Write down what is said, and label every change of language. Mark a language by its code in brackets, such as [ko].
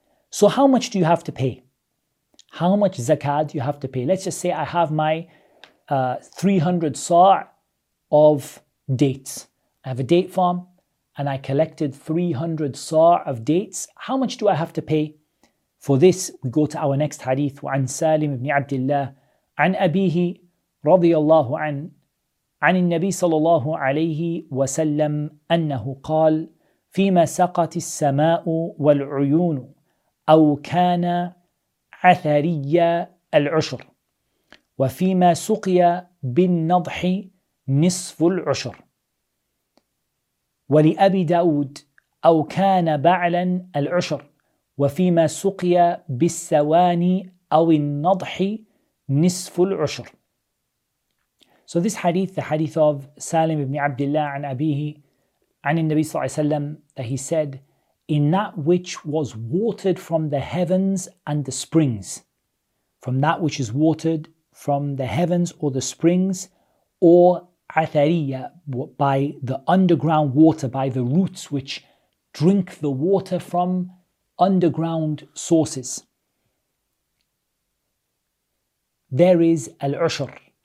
[en] So how much do you have to pay? How much zakat do you have to pay? Let's just say I have my 300 sa' of dates. I have a date farm and I collected 300 sa' of dates. How much do I have to pay? For this, we go to our next hadith. [ar] وَعَنْ سَالِمِ بْنِ عَبْدِ اللَّهِ عَنْ أَبِيهِ رَضِيَ اللَّهُ عَنْ النبي صلى الله عليه وسلم أنه قال فيما سقط السماء والعيون أو كان عثري العشر وفيما سقي بالنضح نصف العشر ولأبي داود أو كان بعلا العشر وفيما سقي بالسواني أو النضح نصف العشر. [en] So this hadith, the hadith of Salim ibn Abdullah an Abihi, an Nabi sallallahu alayhi wa sallam, that he said, in that which was watered from the heavens and the springs, from that which is watered from the heavens or the springs, or athariya, by the underground water, by the roots which drink the water from underground sources, there is al-ushr.